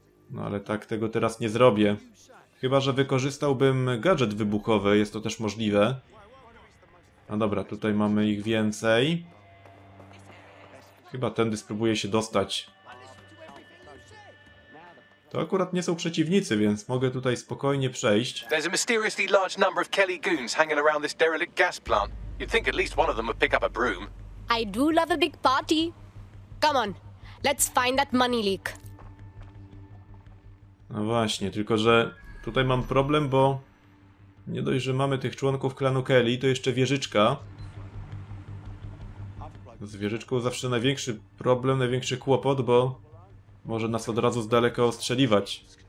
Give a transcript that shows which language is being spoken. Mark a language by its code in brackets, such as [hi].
[pl] No ale tak tego teraz nie zrobię. Chyba, że wykorzystałbym gadżet wybuchowy, jest to też możliwe. No dobra, tutaj mamy ich więcej. Chyba tędy spróbuję się dostać. To akurat nie są przeciwnicy, więc mogę tutaj spokojnie przejść. [en] There's a mysteriously large number of Kelly goons hanging around this derelict gas plant. You'd think at least one of them would pick up a broom. I do love a big party. Come on, let's find that money leak. [pl] No właśnie, tylko że tutaj mam problem, bo nie dość, że mamy tych członków klanu Kelly, to jeszcze wieżyczka. Z wieżyczką zawsze największy problem, największy kłopot, bo może nas od razu z daleka ostrzeliwać.